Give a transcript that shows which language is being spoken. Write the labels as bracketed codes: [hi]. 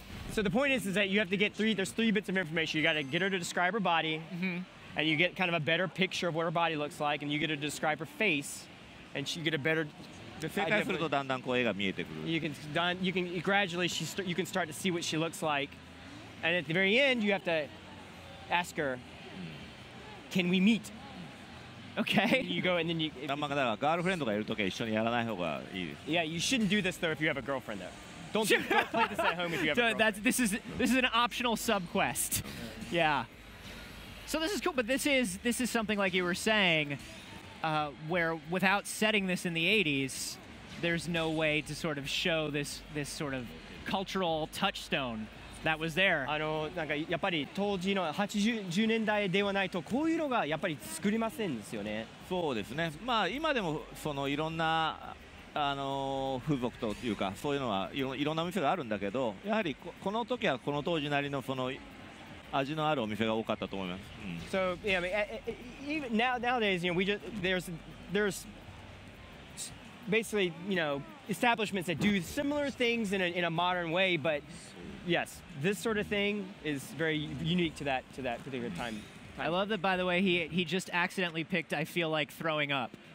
[en] So the point is that you have to get three bits of information. You got to get her to describe her body, and you get kind of a better picture of what her body looks like, and you get her to describe her face, and she get a better... [ja] 正解するとだんだんこう絵が見えてくる。 [en] You can gradually, you can start to see what she looks like. And at the very end, you have toAsk her, can we meet? Okay. You go and then you. [ja] なんまかだからガールフレンドがいるときは一緒にやらない方がいい。 [en] Yeah, you shouldn't do this though if you have a girlfriend though. Don't play this at home if you have a girlfriend. This is an optional sub quest. Yeah. So this is cool, but this is something like you were saying, where without setting this in the 80s, there's no way to sort of show this sort of cultural touchstone. That was there. [ja] あの、なんかやっぱり当時の80年代ではないとこういうのがやっぱり作りませんですよね。そうですね。まあ今でもそのいろんな風俗というか、そういうのはいろんなお店があるんだけど、やはりこの時はこの当時なりのその味のあるお店が多かったと思います。So, [en] yeah, I mean, even nowadays, you know, there's basically, you know, establishments that do similar things in a modern way, but yes, this sort of thing is very unique to that particular time. I love that, by the way, he just accidentally picked I feel like throwing up.